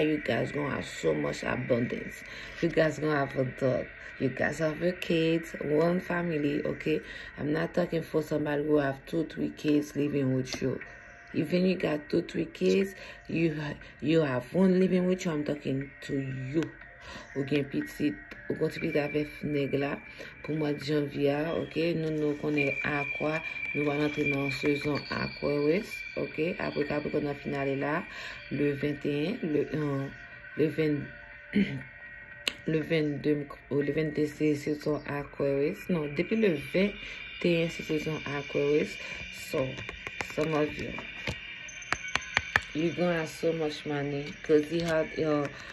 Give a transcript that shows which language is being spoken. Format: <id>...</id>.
<en>You guys gonna have so much abundance. You guys gonna have a dog. You guys have your kids, one family, okay? I'm not talking for somebody who have 2-3 kids living with you. Even you got 2-3 kids, you have one living with you. I'm talking to you.</en> <fr>Okay, petite. On continue avec Negla pour mois de janvier, ok? Nous connaissons à quoi nous allons entrer dans la saison Aquarius, ok? Après qu'on a finalé là, le 21, le 22, c'est saison Aquarius. Non, depuis le 21, c'est saison Aquarius.</fr> <en>So, some of you, you're going to have so much money because you had your...</en>